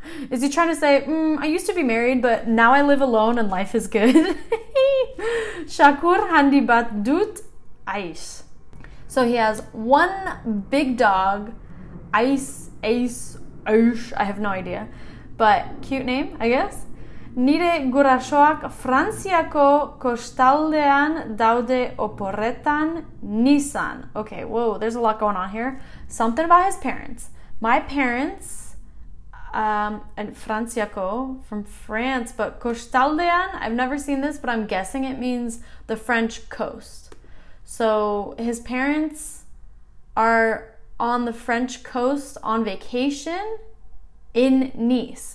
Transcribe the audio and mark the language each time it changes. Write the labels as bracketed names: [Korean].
[English] Is he trying to say, I used to be married, but now I live alone and life is good? [Basque] Shakur handi bat dut. [English] Ice. So he has one big dog, Ice. I have no idea, but cute name, I guess. [Basque] Nire gurasoak Frantziako kostaldean daude oporretan nisan. [English] Okay, whoa, there's a lot going on here. Something about his parents. My parents, and Frantziako, from France, but kostaldean, I've never seen this, but I'm guessing it means the French coast. So his parents are on the French coast on vacation in Nice.